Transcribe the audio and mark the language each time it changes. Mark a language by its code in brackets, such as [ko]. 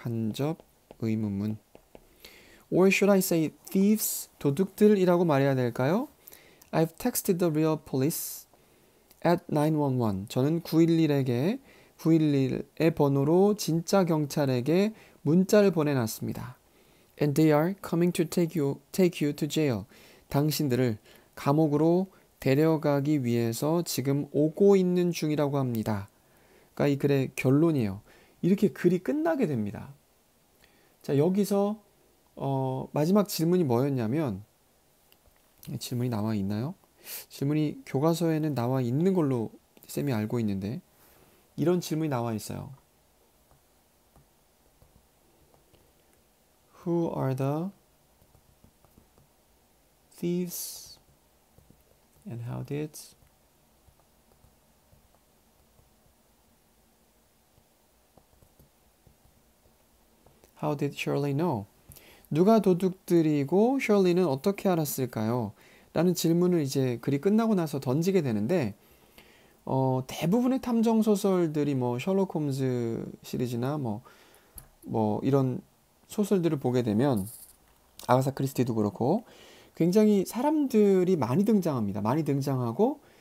[ko] 간접 의문문. [en] Or should I say thieves, [ko] 도둑들이라고 말해야 될까요? [en] I've texted the real police at 911. [ko] 저는 911에게, 911의 번호로 진짜 경찰에게 문자를 보내놨습니다. [en] And they are coming to take you to jail. [ko] 당신들을 감옥으로 데려가기 위해서 지금 오고 있는 중이라고 합니다. 그러니까 이 글의 결론이에요. 이렇게 글이 끝나게 됩니다. 자, 여기서 마지막 질문이 뭐였냐면, 질문이 나와 있나요? 질문이 교과서에는 나와 있는 걸로 쌤이 알고 있는데, 이런 질문이 나와 있어요. [en] Who are the thieves and how did Shirley know? [ko] 누가 도둑들이고 셜리는 어떻게 알았을까요? 라는 질문을 이제 글이 끝나고 나서 던지게 되는데 대부분의 탐정 소설들이 뭐 셜록 홈즈 시리즈나 뭐 이런 소설들을 보게 되면 아가사 크리스티도 그렇고 굉장히 사람들이 많이 등장합니다. 많이 등장하고